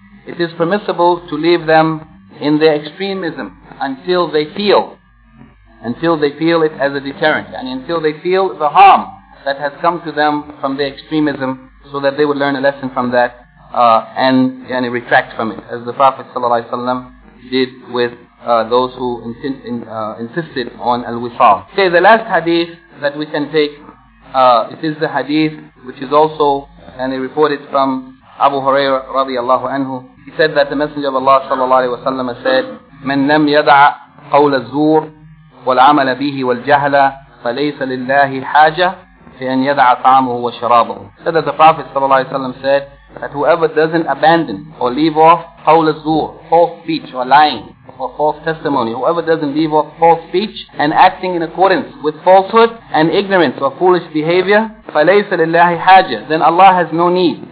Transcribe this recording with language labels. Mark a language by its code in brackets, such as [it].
[en] It is permissible to leave them in their extremism until they feel it as a deterrent, and until they feel the harm that has come to them from their extremism, so that they would learn a lesson from that and retract from it, as the Prophet ﷺ did with those who insisted on al-wisal. Okay, the last hadith that we can take, it is the hadith which is also reported from Abu Hurairah radiallahu anhu. [ar] He said that the Messenger of Allah sallallahu alayhi wa sallam said, مَنْ لَمْ يَدْعَ قَوْلَ الزُّورِ وَالْعَمَلَ بِهِ وَالْجَهْلَ فَلَيْسَ لِلَّهِ حَاجَةٍ فِي أَنْ يَدْعَ طَعَامُهُ وَشَرَابُهُ. [en] Said that the Prophet sallallahu alayhi wa sallam said that whoever doesn't abandon or leave off [ar] قَوْلَ الزُّورِ, [en] false speech or lying or false testimony, whoever doesn't leave off false speech and acting in accordance with falsehood and ignorance or foolish behavior, [ar] فَلَيْسَ لِلَّهِ حَاجَةٍ, [en] then Allah has no need.